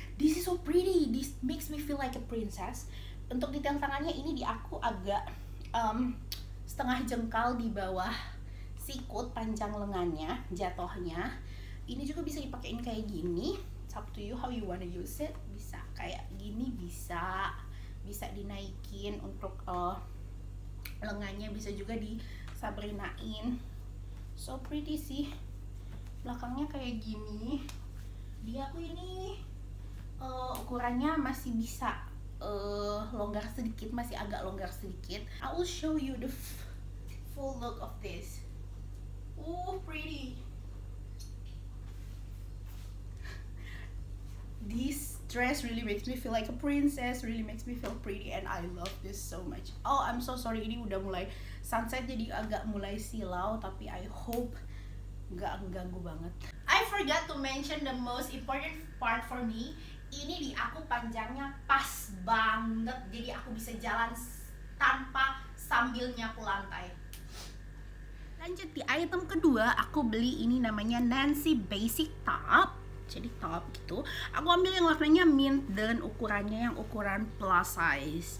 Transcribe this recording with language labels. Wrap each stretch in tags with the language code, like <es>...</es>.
<en>This is so pretty, this makes me feel like a princess.</en> <id>Untuk detail tangannya ini di aku agak setengah jengkal di bawah sikut panjang lengannya jatohnya. Ini juga bisa dipakein kayak gini,</id> <en>it's up to you how you wanna use it.</en> <id>Bisa kayak gini, bisa dinaikin untuk lengannya, bisa juga di Sabrina-in.</id> <en>So pretty</en> <id>sih. Belakangnya kayak gini. Di aku ini ukurannya masih bisa longgar sedikit, masih agak longgar sedikit.</id> <en>I will show you the full look of this. Ooh, pretty. This dress really makes me feel like a princess, really makes me feel pretty, and I love this so much. Oh, I'm so sorry,</en> <id>ini udah mulai sunset jadi agak mulai silau, tapi</id> <en>I hope</en> <id>gak ganggu banget.</id> <en>I forgot to mention the most important part for me.</en> <id>Ini di aku panjangnya pas banget, jadi aku bisa jalan tanpa sambil nyapu lantai. Lanjut di item kedua, aku beli ini namanya Nancy Basic Top. Jadi top gitu. Aku ambil yang warnanya mint dan ukurannya yang ukuran plus size.</id>